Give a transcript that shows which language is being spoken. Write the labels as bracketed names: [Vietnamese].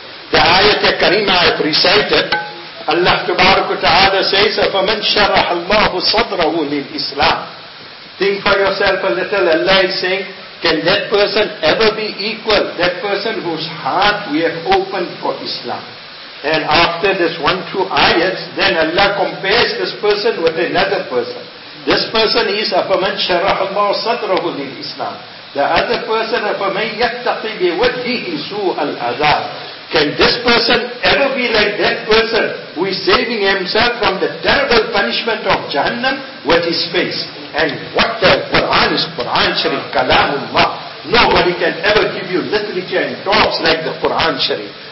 [English] The ayat al-kareema I've recited, Allah tabarak wa ta'ala says, فَمَنْ شَرَحَ اللَّهُ صَدْرَهُ لِلْإِسْلَامِ. Think for yourself a little, Allah is saying, can that person ever be equal? That person whose heart we have opened for Islam. And after this one, two ayats, then Allah compares this person with another person. [Arabic] This person is أَفَمَنْ شَرَحَ اللَّهُ صَدْرَهُ لِلْإِسْلَامِ. The other person, أَفَمَنْ يَتَّقِي بِوَجْهِهِ سُوءَ الْعَذَابِ. [English] Can this person ever be like that person who is saving himself from the terrible punishment of Jahannam with his face? And what the Quran is, Quran Sharif, Kalamullah. Nobody can ever give you literature and talks like the Quran Sharif.